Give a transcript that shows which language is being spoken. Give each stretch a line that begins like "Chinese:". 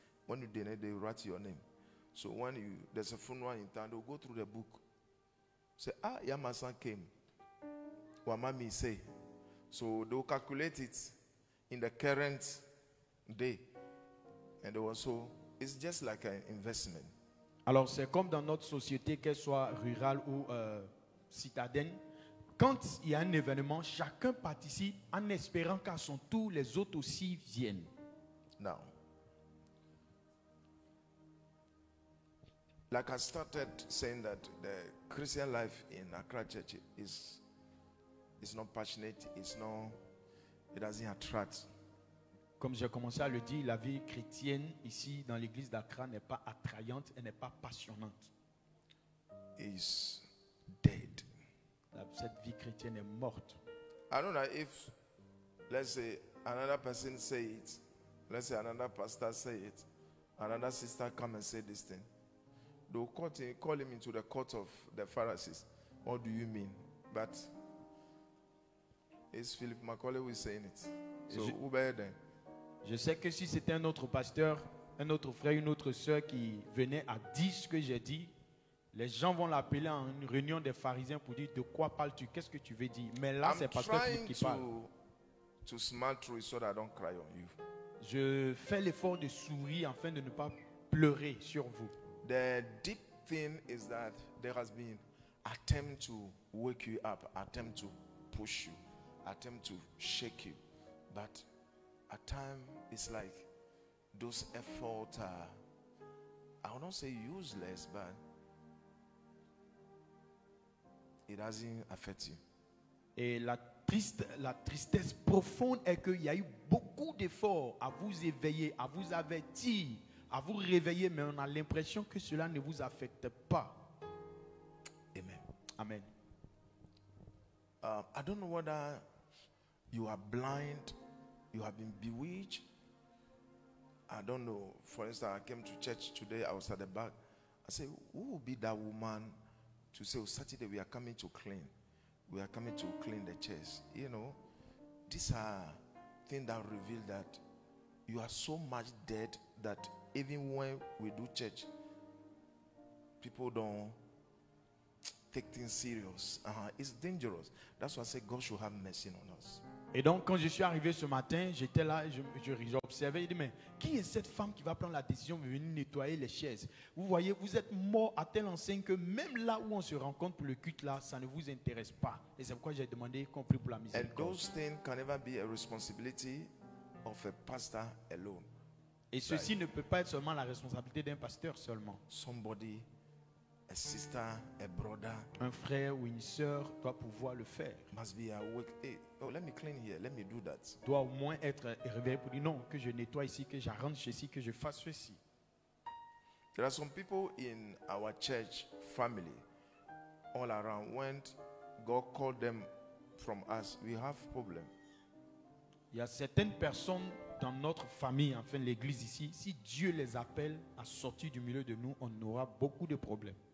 English: When you donate, they write your name. So when you there's a funeral in town, they'll go through the book. Say, ah, yeah, my son came. What mommy say? So they'll calculate it in the current day. And also, it's just like an investment.
French: Alors, c'est comme dans notre société, qu'elle soit rurale ou citadine. Quand il y a un événement, chacun participe en espérant qu'à son tour, les autres aussi viennent.
English: Now, like I started saying that the Christian life in Accra Church is not passionate, it's not, it doesn't attract.
French: Comme j'ai commencé à le dire, la vie chrétienne ici dans l'église d'Accra n'est pas attrayante, elle n'est pas passionnante.
English: Is dead.
French: Cette vie chrétienne est morte.
English: I don't know if, let's say, another person say it, let's say another pastor say it, another sister come and say this thing, they'll call him into the court of the Pharisees. What do you mean? But it's Philip Macaulay who is saying it. So who better then?
French: Je sais que si c'était un autre pasteur, un autre frère, une autre sœur qui venait à dire ce que j'ai dit, les gens vont l'appeler en une réunion des pharisiens pour dire de quoi parles-tu, qu'est-ce que tu veux dire. Mais là, c'est pasteur qui parle.
English: To smile through it so that I don't cry on you.
French: Je fais l'effort de sourire afin de ne pas pleurer sur vous.
English: The deep thing is that there has been attempt to wake you up, attempt to push you, attempt to shake you, but at time, it's like those efforts are, I will not say useless, but it doesn't affect you.
French: Et la tristesse profonde est qu'il y a eu beaucoup d'efforts à vous éveiller, à vous avertir, à vous réveiller, mais on a l'impression que cela ne vous affecte pas.
English: Amen. Amen. I don't know whether you are blind. You have been bewitched. I don't know. For instance, I came to church today. I was at the back. I said, who will be that woman to say, oh, Saturday we are coming to clean. We are coming to clean the church. You know, these are things that reveal that you are so much dead that even when we do church, people don't take things serious. It's dangerous. That's why I say God should have mercy on us.
French: Et donc, quand je suis arrivé ce matin, j'étais là, j'observais, je dis, mais qui est cette femme qui va prendre la décision de venir nettoyer les chaises? Vous voyez, vous êtes mort à telle enseigne que même là où on se rencontre pour le culte là, ça ne vous intéresse pas. Et c'est pourquoi j'ai demandé qu'on prie pour la miséricorde.
English: And those things can never be a responsibility of a pastor alone.
French: Et ceci ne peut pas être seulement la responsabilité d'un pasteur seulement.
English: Somebody, a sister, a brother,
French: un frère ou une sœur doit pouvoir le faire.
English: Must be awake. Hey, oh, let me clean here. Let me do that.
French: Doit au moins être réveillé pour dire non, que je nettoie ici, que j'arrange ceci, que je fasse ceci.
English: There are some people in our church family, all around. When God called them from us, we have problem.
French: Il y a certaines personnes dans notre famille, enfin l'église ici, si Dieu les appelle à sortir du milieu de nous, on aura beaucoup de problèmes.